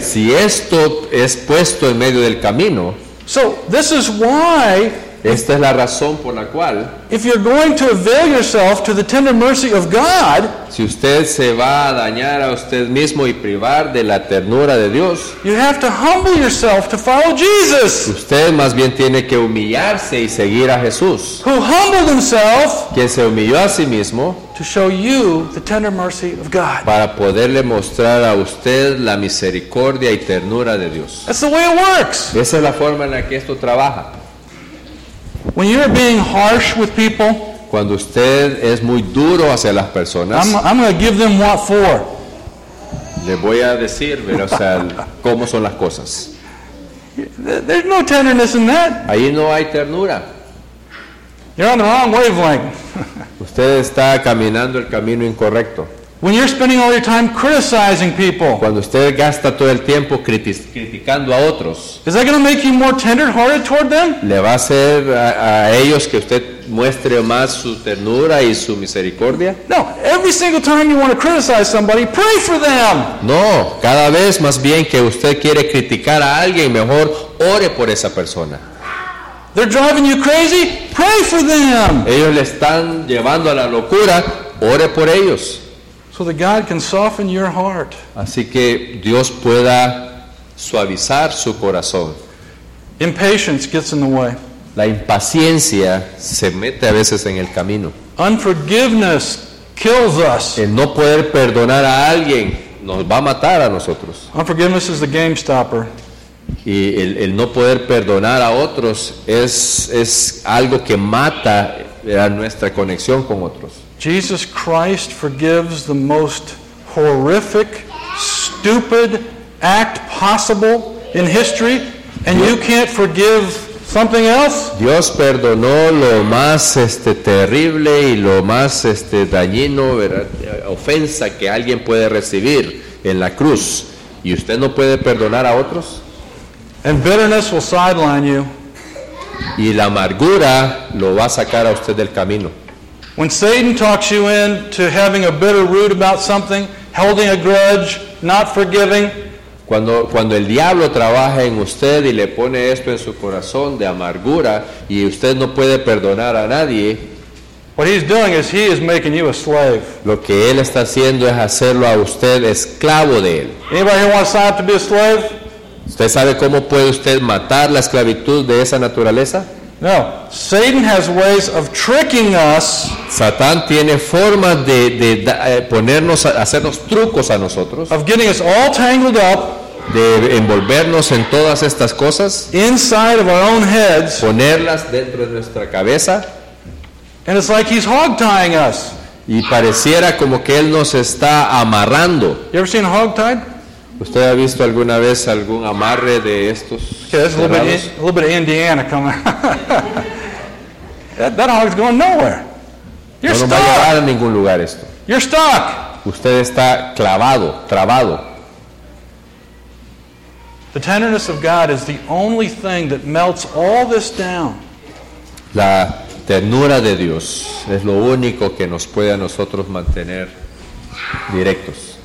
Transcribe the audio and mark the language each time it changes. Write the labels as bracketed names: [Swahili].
[Spanish] Si esto es puesto en medio del camino. [English] So this is why. [Spanish] Esta es la razón por la cual. [English] If you're going to avail yourself to the tender mercy of God. [Spanish] Si usted se va a dañar a usted mismo y privar de la ternura de Dios. [English] You have to humble yourself to follow Jesus. [Spanish] Usted más bien tiene que humillarse y seguir a Jesús. [English] Who humbled himself. [Spanish] Quien se humilló a sí mismo. [English] To show you the tender mercy of God. [Spanish] Para poderle mostrar a usted la misericordia y ternura de Dios. [English] That's the way it works. [Spanish] Esa es la forma en la que esto trabaja. [English] When you're being harsh with people, [Spanish] cuando usted es muy duro hacia las personas, [English] I'm going to give them what for. [Spanish] Le voy a decir, pero, o sea, cómo son las cosas. [English] There's no tenderness in that. [Spanish] Ahí no hay ternura. [English] You're on the wrong wavelength. [Spanish] Usted está caminando el camino incorrecto. [English] When you're spending all your time criticizing people, [Spanish] cuando usted gasta todo el tiempo criticando a otros, [English] is that going to make you more tender-hearted toward them? [Spanish] ¿Le va a hacer a ellos que usted muestre más su ternura y su misericordia? [English] No. Every single time you want to criticize somebody, pray for them. [Spanish] No. Cada vez más bien que usted quiere criticar a alguien, mejor ore por esa persona. [English] They're driving you crazy? Pray for them. [Spanish] Ellos le están llevando a la locura, ore por ellos. [English] So that God can soften your heart. [Spanish] Así que Dios pueda suavizar su corazón. [English] Impatience gets in the way. [Spanish] La impaciencia se mete a veces en el camino. [English] Unforgiveness kills us. [Spanish] El no poder perdonar a alguien nos va a matar a nosotros. [English] Unforgiveness is the game stopper. [Spanish] Y el no poder perdonar a otros es algo que mata a nuestra conexión con otros. [English] Jesus Christ forgives the most horrific, stupid act possible in history, and you can't forgive something else? [Spanish] Dios perdonó lo más terrible y lo más dañino, ¿verdad? Ofensa que alguien puede recibir en la cruz, y usted no puede perdonar a otros? [English] And bitterness will sideline you. [Spanish] Y la amargura lo va a sacar a usted del camino. [English] When Satan talks you in to having a bitter root about something, holding a grudge, not forgiving. [Spanish] Cuando el diablo trabaja en usted y le pone esto en su corazón de amargura y usted no puede perdonar a nadie. [English] What he's doing is he is making you a slave. [Spanish] Lo que él está haciendo es hacerlo a usted esclavo de él. [English] Anybody who wants to sign up to be a slave? [Spanish] ¿Usted sabe cómo puede usted matar la esclavitud de esa naturaleza? [English] No, Satan has ways of tricking us. [Spanish] Satán tiene formas de ponernos, hacernos trucos a nosotros. [English] Of getting us all tangled up. [Spanish] De envolvernos en todas estas cosas. [English] Inside of our own heads. [Spanish] Ponerlas dentro de nuestra cabeza. [English] And it's like he's hog-tying us. [Spanish] Y pareciera como que él nos está amarrando. [English] You ever seen a hog-tied? [Spanish] ¿Usted ha visto alguna vez algún amarre de estos? [English] Okay, that's a little bit of Indiana coming. that hog's going nowhere. You're no stuck. [Spanish] No va a llegar a ningún lugar esto. [English] You're stuck. [Spanish] Usted está clavado, trabado. [English] The tenderness of God is the only thing that melts all this down. [Spanish] La ternura de Dios es lo único que nos puede a nosotros mantener directos.